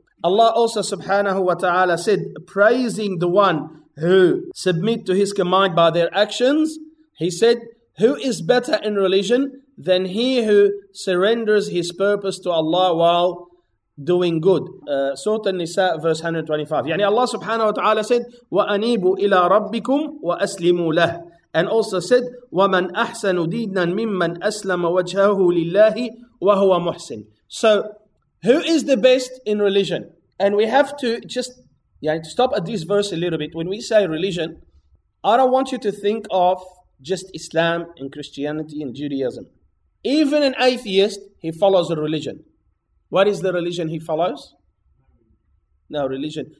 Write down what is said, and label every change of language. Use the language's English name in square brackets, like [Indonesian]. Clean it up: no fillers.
[English] Allah also subhanahu wa ta'ala said, praising the one who submit to His command by their actions, He said, who is better in religion than he who surrenders his purpose to Allah while doing good? Surah An-Nisa, verse 125. Yani Allah subhanahu wa ta'ala said, [Arabic] وَأَنِيبُوا إِلَىٰ رَبِّكُمْ وَأَسْلِمُوا لَهُ. [English] And also said, [Arabic] وَمَنْ أَحْسَنُ دِينًا مِمَّنْ أَسْلَمَ وَجْهَهُ لِلَّهِ وَهُوَ مُحْسِنٌ. [English] So, who is the best in religion? And we have to just stop at this verse a little bit. When we say religion, I don't want you to think of just Islam and Christianity and Judaism. Even an atheist, he follows a religion. What is the religion he follows? No religion.